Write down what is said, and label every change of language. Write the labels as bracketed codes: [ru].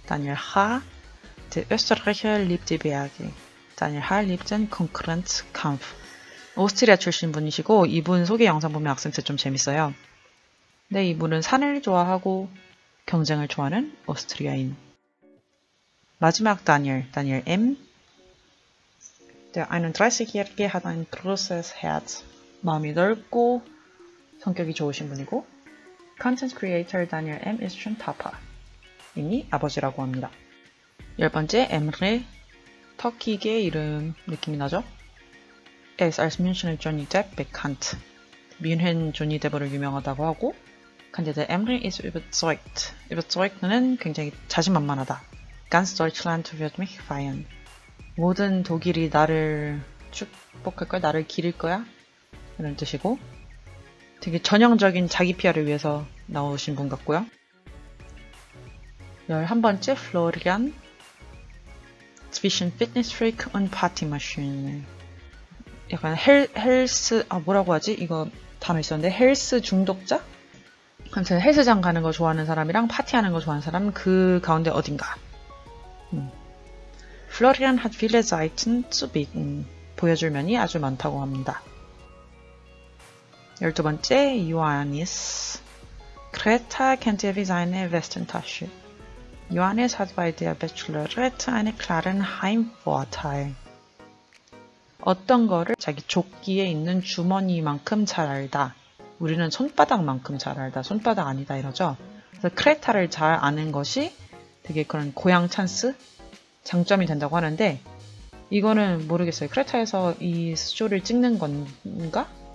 [ko] 다니엘 H. [de] Der Österreicher liebt die Berge. Daniel H. liebt den Konkurrenzkampf. [ko] 오스트리아 출신 분이시고 이분 소개 영상 보면 악센트 좀 재밌어요. 네, 이분은 산을 좋아하고 경쟁을 좋아하는 오스트리아인. 마지막 다니엘 M. [de] Der 31-jährige hat ein großes Herz. [ko] 마음이 넓고 성격이 좋으신 분이고. [de] Content creator Daniel M ist schon Papa. [ko] 이미 아버지라고 합니다. 열 번째 에므레. 터키계 이름 느낌이 나죠? [de] Er ist als Münchner Johnny Depp bekannt. [ko] 뮌헨 조니 데버를 유명하다고 하고, [de] Kandidat Emre ist überzeugt. [ko] Überzeugt는 굉장히 자신만만하다. [de] Ganz Deutschland wird mich feiern. [ko] 모든 독일이 나를 축복할 거야, 나를 기릴 거야. 이런 뜻이고, 되게 전형적인 자기 PR을 위해서 나오신 분 같고요. [en] 11번째, Florian. Vision Fitness Freak on Party Machine. [ko] 약간 헬스, 뭐라고 하지? 이거 단어 있었는데, 헬스 중독자? 아무튼 헬스장 가는 거 좋아하는 사람이랑 파티하는 거 좋아하는 사람 그 가운데 어딘가. [de] Florian hat viele Seiten zu bieten. [ko] 보여줄 면이 아주 많다고 합니다. 12번째, Ioannis. [de] Greta kennt ihr wie seine Westentasche. Johannes hat bei der Bachelorette einen klaren Heimvorteil. [ko] 어떤 거를 자기 조끼에 있는 주머니만큼 잘 알다. 우리는 손바닥만큼 잘 알다. 손바닥 아니다 이러죠. 그래서 크레타를 잘 아는 것이 되게 그런 고향 찬스? 장점이 된다고 하는데, 이거는 모르겠어요. 크레타에서 이 쇼를 찍는 건가?